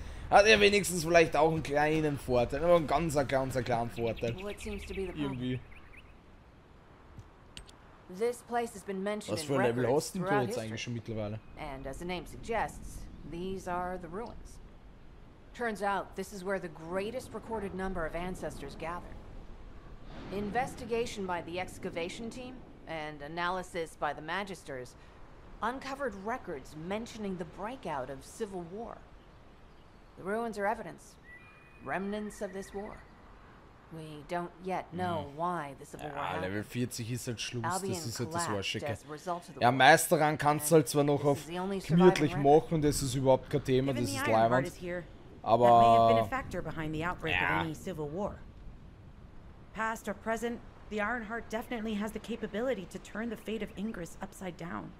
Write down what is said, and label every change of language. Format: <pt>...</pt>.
<de>Hat ja wenigstens vielleicht auch einen kleinen Vorteil, aber einen ganz, ganz kleinen Vorteil. Irgendwie.</de> <en>This place has been mentioned.</en> <de>Was für ein Level hast du denn jetzt eigentlich schon mittlerweile?</de> <en>And as the name suggests, these are the ruins. Turns out, this is where the greatest recorded number of ancestors gathered. Investigation by the excavation team and analysis by the magisters uncovered records mentioning the breakout of civil war. The ruins are evidence, remnants of this war. We don't yet know why the civil war happened.</en> <de>Level 40 ist halt Schluss, das ist halt das Arschige. Ja, Meisterrang kannst du halt zwar noch auf gemütlich machen, das ist überhaupt kein Thema, das ist leiwand. Aber, ja.</de> <en>Past or present, the Ironheart definitely has the capability to turn the fate of Ingress upside down.</en>